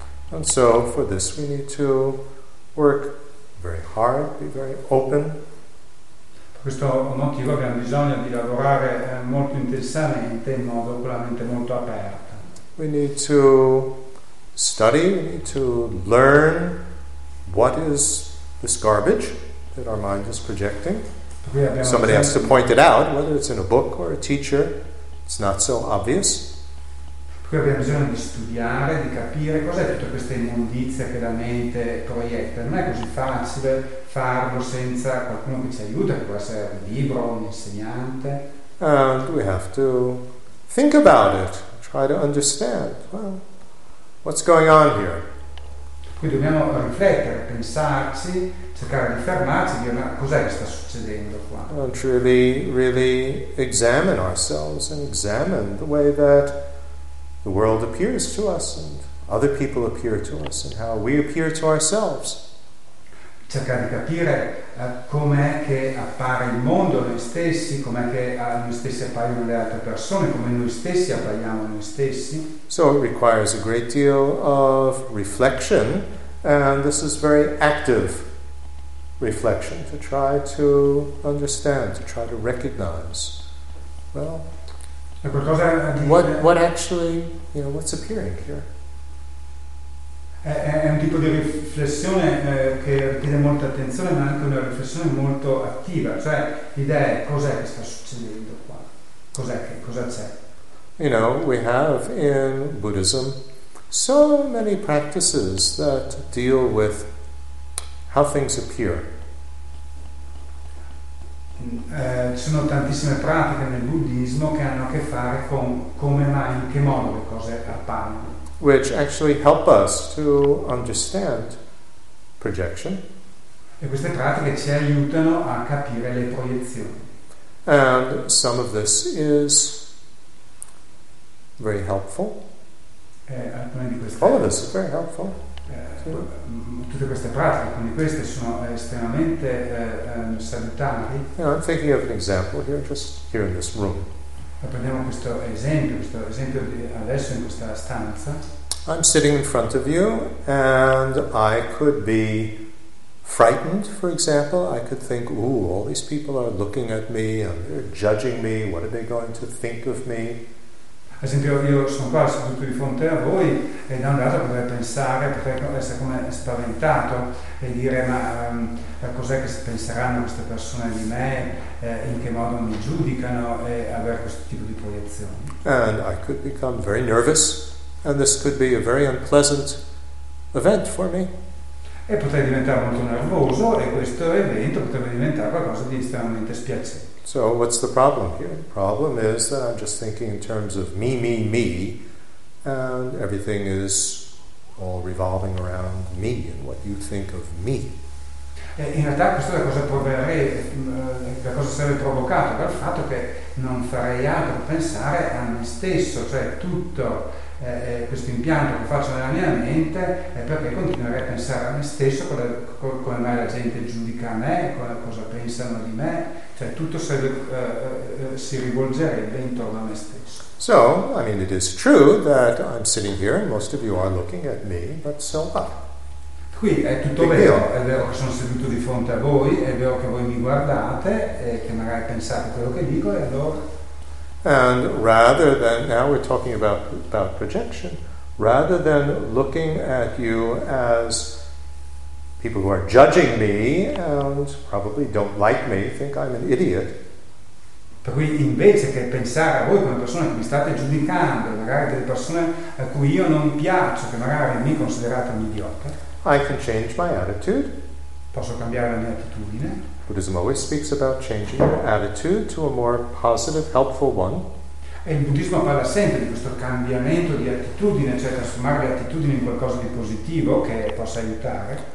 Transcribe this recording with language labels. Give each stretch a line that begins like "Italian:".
English: And so for this we need to work very hard, be very open.
Italian: questo motivo abbiamo bisogno di lavorare molto intensamente in modo veramente molto aperto.
English: We need to study, we need to learn what is this garbage that our mind is projecting. Somebody has to point it out, whether it's in a book or a teacher, it's not so obvious.
Italian: Qui abbiamo bisogno di studiare, di capire cos'è tutta questa immondizia che la mente proietta. Non è così facile farlo senza qualcuno che ci aiuta, che può essere un libro, un insegnante.
English: And we have to think about it, try to understand. Well, what's going on here?
Italian: Qui dobbiamo riflettere, pensarci, cercare di fermarci, dire ma cos'è che sta succedendo qua?
English: And really, really examine ourselves and examine the way that the world appears to us and other people appear to us and how we appear to ourselves.
Italian: Cercare di capire com'è che appare il mondo noi stessi, com'è che a noi stessi appaiono le altre persone, come noi stessi appaiamo noi stessi.
English: So it requires a great deal of reflection, and this is very active reflection to try to understand, to try to recognize. Well, what actually, you know, what's appearing here?
Italian: È un tipo di riflessione che richiede molta attenzione, ma anche una riflessione molto attiva. Cioè, l'idea è cos'è che sta succedendo qua? Cosa c'è?
English: You know, we have in Buddhism so many practices that deal with how things appear.
Italian: Ci sono tantissime pratiche nel buddismo che hanno a che fare con come mai, in che modo le cose appaiono.
English: Which actually help us to understand projection.
Italian: E queste pratiche ci aiutano a capire le proiezioni.
English: And some of this is very helpful. All of this is very helpful.
Italian: Tutte queste pratiche, quindi queste sono estremamente salutari.
English: You know, I'm thinking of an example here, just here in this room.
Italian: Prendiamo questo esempio di adesso in questa stanza.
English: I'm sitting in front of you, and I could be frightened, for example. I could think, ooh, all these people are looking at me, and they're judging me, what are they going to think of me?
Italian: Ad esempio, io sono qua seduto di fronte a voi e da un lato potrei pensare, potrei essere come spaventato e dire ma cos'è che penseranno queste persone di me, in che modo mi giudicano e avere questo tipo di proiezioni.
English: And I could become very nervous and this could be a very unpleasant event for me.
Italian: E potrei diventare molto nervoso e questo evento potrebbe diventare qualcosa di estremamente spiacevole.
English: So what's the problem here? The problem is that I'm just thinking in terms of me, me, me, and everything is all revolving around me and what you think of me.
Italian: In realtà questa è la cosa sarebbe provocata dal fatto che non farei altro pensare a me stesso, cioè tutto questo impianto che faccio nella mia mente è perché continuerei a pensare a me stesso, come mai la gente giudica a me, cosa pensano di me. Cioè, tutto si rivolgerebbe intorno a me stesso.
English: So, I mean, it is true that I'm sitting here and most of you are looking at me, but so what?
Italian: Qui è tutto vero. È vero che sono seduto di fronte a voi, è vero che voi mi guardate e che magari pensate quello che dico, e allora?
English: And rather than, now we're talking about projection, rather than looking at you as people who are judging me and probably don't like me, think I'm an idiot.
Italian: Per cui invece che pensare a voi come persone che mi state giudicando, magari delle persone a cui io non piaccio, che magari mi considerate un idiota,
English: I can change my attitude.
Italian: Posso cambiare la mia attitudine.
English: Buddhism always speaks about changing your attitude to a more positive, helpful one.
Italian: E il buddismo parla sempre di questo cambiamento di attitudine, cioè trasformare l'attitudine in qualcosa di positivo che possa aiutare.